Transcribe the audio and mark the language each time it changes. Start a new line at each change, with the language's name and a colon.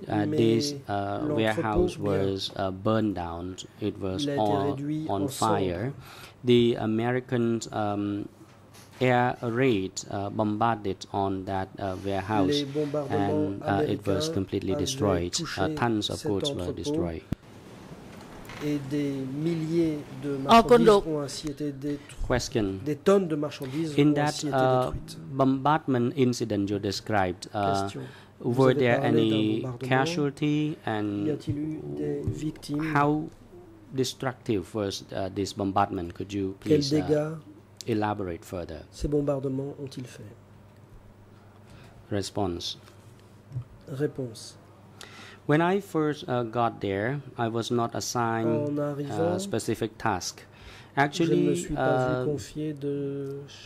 English: This warehouse was burned down. It was all on fire. The American air raid bombarded on that warehouse, and it was completely destroyed. Tons of goods were destroyed.
French: Et des milliers de marchandises ont ainsi été détruites.
English: Question.
French: Des tonnes de marchandises
English: in that bombardment incident you described, were there any casualty and
French: y a-t-il eu des victimes?
English: How destructive was this bombardment? Could you please elaborate further.
French: Ces bombardements ont-ils fait?
English: Response.
French: Réponse.
English: When I first got there, I was not assigned a specific task. Actually,
French: je ne me suis pas vu confié de